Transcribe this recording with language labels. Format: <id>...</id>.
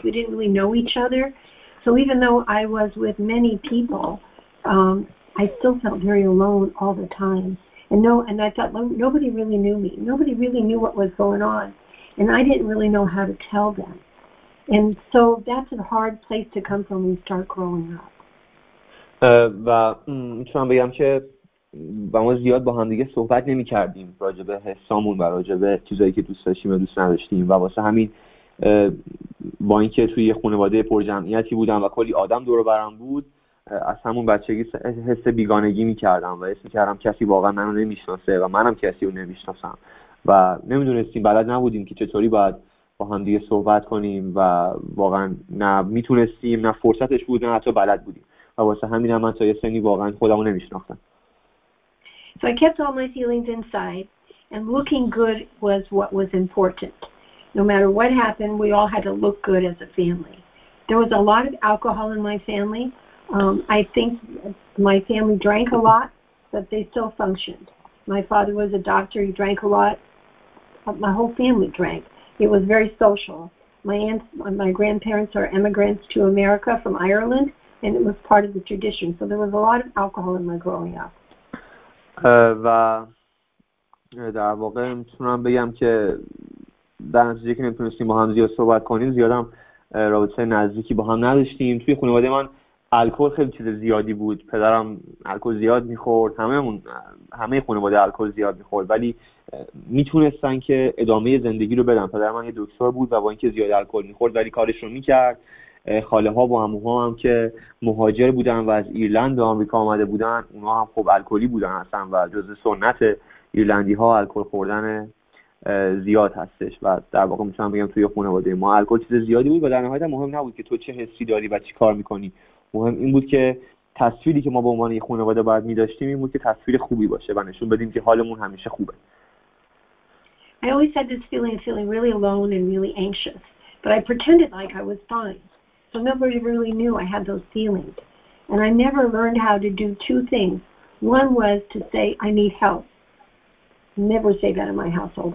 <en>We didn't really know each other. So even though I was with many people, I still felt very alone all the time. And no, and I thought nobody really knew me. Nobody really knew what was going on. And I didn't really know how to tell them. And so that's a hard place to come from when you start growing up.</en> <fa>و میتونم بگم که با ما زیاد با هم دیگه صحبت نمی کردیم راجع به حسامون و راجع به چیزایی که دوست داشتیم و دوست نداشتیم و واسه همین با اینکه توی یه خانواده پر جمعیتی بودم و کلی آدم دور و برم بود از همون بچگی حس بیگانگی می کردم و حس می کردم کسی واقعا منو نمی شناسه و منم کسی رو نمی شناسم و نمی دونستیم بلد نبودیم که چطوری باید با هم دیگه صحبت کنیم و واقعا نه می تونستیم نه فرصتش بود نه حتی بلد بودیم و واسه همین هم من تا یه سنی واقعا خودمو نمی شناختم.</fa> <en>So I kept all my feelings inside, and looking good was what was important. No matter what happened, we all had to look good as a family. There was a lot of alcohol in my family. I think my family drank a lot, but they still functioned. My father was a doctor. He drank a lot. My whole family drank. It was very social. My aunts, my grandparents are immigrants to America from Ireland, and it was part of the tradition. So there was a lot of alcohol in my growing up.</en> <fa>و در واقع میتونم بگم که در نتیجه که نمیتونستیم با هم زیاد صحبت کنیم زیادم رابطه نزدیکی با هم نداشتیم. توی خانواده من الکل خیلی چیز زیادی بود، پدرم الکل زیاد میخورد، همه خانواده الکل زیاد میخورد، ولی میتونستن که ادامه زندگی رو بدن. پدرم یه دکتر بود و با اینکه زیاد الکل میخورد ولی کارش رو میکرد. خاله ها با عموها هم که مهاجر بودن و از ایرلند به آمریکا آمده بودن، اونا هم خب الکلی بودن هستن و جزء سنت ایرلندی ها الکل خوردن زیاد هستش و در واقع میتونم بگم توی خانواده ما الکل چیز زیادی بود و در نهایت مهم نبود که تو چه حسی داری و چی کار میکنی، مهم این بود که تصویری که ما به عنوان یه خانواده باید میداشتیم این بود که تصویر خوبی باشه و نشون بدیم که حالمون همیشه خوبه.</fa> <en>I always had this feeling really alone and really anxious, but I pretended like I was fine. So nobody really knew I had those feelings. And I never learned how to do two things. One was to say, I need help. Never say that in my household.</en>